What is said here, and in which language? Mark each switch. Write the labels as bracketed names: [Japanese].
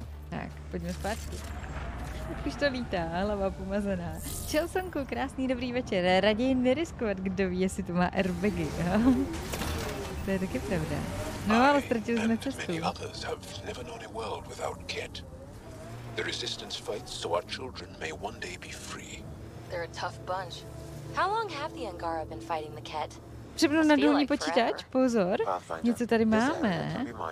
[Czech] Tak, pojďme zpátky. Už to lítá, hlava pomazaná. Chelsonku, krásný dobrý večer. Raději neriskovat, kdo ví, jestli to má airbagy. No? To je taky pravda. No, ale ztratili jsme cestu. [English] Others have never known a world without Ket. The resistance fights so our children may one day be free. They're a tough bunch. How long have the Angara been fighting the Ket? [Czech] Přepnu na důlní počítač, pozor. Něco tady máme.